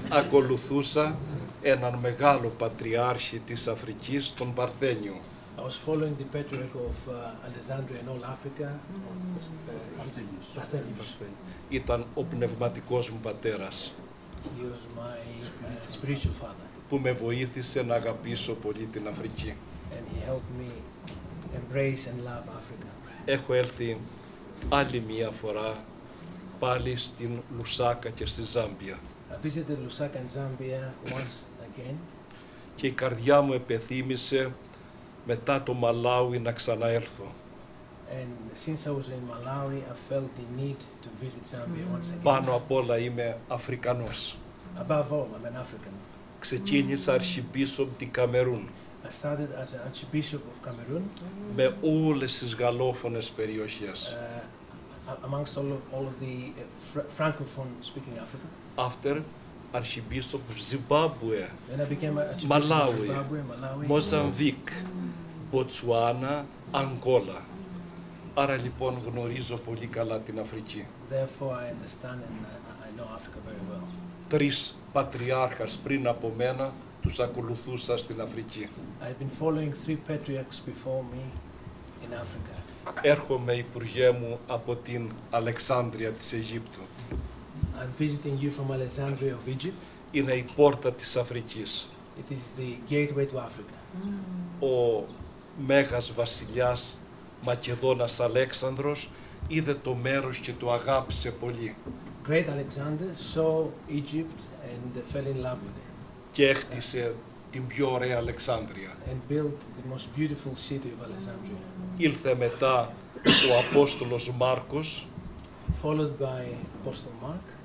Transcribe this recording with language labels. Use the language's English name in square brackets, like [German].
[Greek] Ακολουθούσα έναν μεγάλο πατριάρχη της Αφρικής, τον Παρθένιο. [English] I was following the patriarch of Alexandria and all Africa, Parthenius. [Greek] Ήταν ο πνευματικός μου πατέρας. [English] He was my spiritual father. [Greek] Που με βοήθησε να αγαπήσω πολύ την Αφρική. [English] And he helped me embrace and love Africa. [Greek] Έχω έλθει άλλη μία φορά πάλι στην Λουσάκα και στη Ζάμπια. [English] I visited Lusaka and Zambia once again. [Greek] Και η καρδιά μου επεθύμησε μετά το Μαλάουι να ξαναέλθω. [English] And since I was in Malawi, I felt the need to visit Zambia once again. [Greek] Πάνω απ' όλα είμαι Αφρικανός. [English] Above all, I'm an African. [Greek] Ξεκίνησα αρχιπίσωπ του Καμερούν. [English] I started as an archbishop of Cameroon. [Greek] Με όλες τις γαλλόφωνες περιοχές. [English] Amongst all of the Francophone speaking Africa. After Archbishop of Zimbabwe, Malawi, Mozambique, Botswana, Angola. [Greek] Άρα λοιπόν γνωρίζω πολύ καλά την Αφρική. [English] Therefore I understand and I know Africa very well. [Greek] Τρεις πατριάρχες πριν από μένα τους ακολουθούσα στην Αφρική. [English] I've been following three patriarchs before me in Africa. [Greek] Έρχομαι, Υπουργέ μου, από την Αλεξάνδρεια της Αιγύπτου. [English] I'm visiting you from Alexandria of Egypt. [Greek] Είναι η πόρτα της Αφρικής. [English] It is the gateway to Africa. [Greek] Ο μέγας βασιλιάς Μακεδόνας Αλέξανδρος είδε το μέρος και το αγάπησε πολύ. [English] Great Alexander saw Egypt and fell in love with it. [Greek] Και έχτισε την πιο ωραία Αλεξάνδρεια. [English] And built the most beautiful city of Alexandria. [Greek] Ήλθε μετά ο Απόστολος Μάρκος. [English] Followed by Apostle Mark.